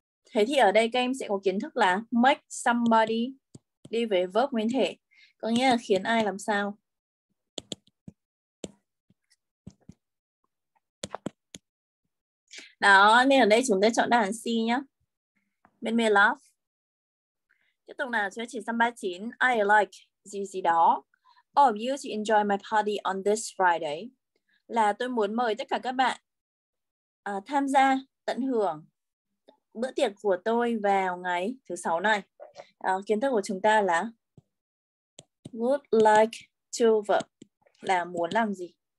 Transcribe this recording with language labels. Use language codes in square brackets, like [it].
[vi] Thế thì ở đây các em sẽ có kiến thức là [en] make somebody, [vi] đi với verb nguyên thể, có nghĩa là khiến ai làm sao. Đó, nên ở đây chúng ta chọn đáp án C nhé. [en] Make me laugh. [vi] Tiếp tục nào, chúng ta chuyển sang 39. [en] I like [vi] gì gì đó. [en] All of you to enjoy my party on this Friday. [vi] Là tôi muốn mời tất cả các bạn tham gia, tận hưởng bữa tiệc của tôi vào ngày thứ 6 này. Kiến thức của chúng ta là [en] would like to work. [vi] Là muốn làm gì?